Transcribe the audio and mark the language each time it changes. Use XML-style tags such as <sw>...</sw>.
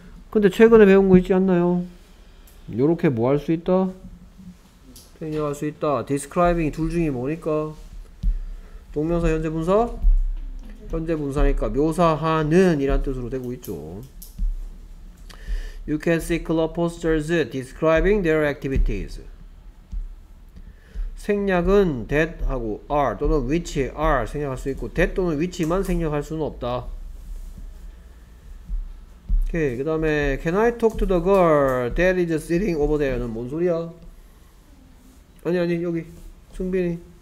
<ko>근데 최근에 배운 거 있지 않나요? 요렇게 뭐 할 수 있다? 생략할 수 있다. Describing 둘 중에 뭐니까? 동명사 현재 분사? 현재 분사니까 묘사하는 이란 뜻으로 되고 있죠.</ko> <en>You can see club posters describing their activities.</en> <ko>생략은 that 하고 are 또는 which are 생략할 수 있고 that 또는 which만 생략할 수는 없다. 오케이. 그 다음에</ko> <en>Can I talk to the girl that is sitting over there?</en> <ko>는 뭔 소리야? 아니 아니 여기 승빈이</ko>